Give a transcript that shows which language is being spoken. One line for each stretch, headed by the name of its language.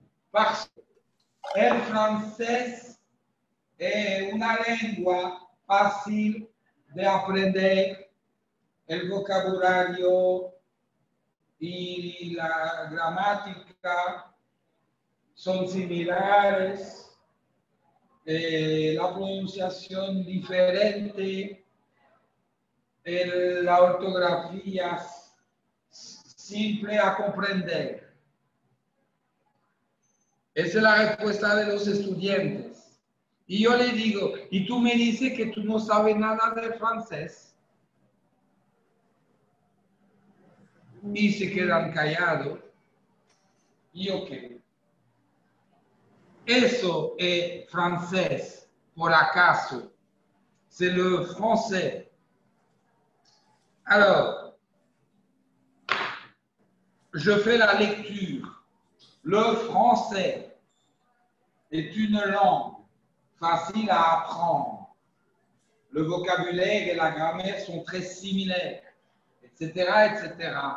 French: Parce que le français est une langue facile d'apprendre le vocabulaire et la grammaire sont similaires.
Spanish: La prononciación diferente, la ortografía simple a comprender. Esa es la respuesta de los estudiantes. Y yo le digo, y tú me dices que tú no sabes nada del francés. Y se quedan callados. ¿Y yo qué? Eso es francés, por acaso.
French: C'est le français. Alors, je fais la lecture. Le français est une langue facile à apprendre. Le vocabulaire et la grammaire sont très similaires, etc., etc.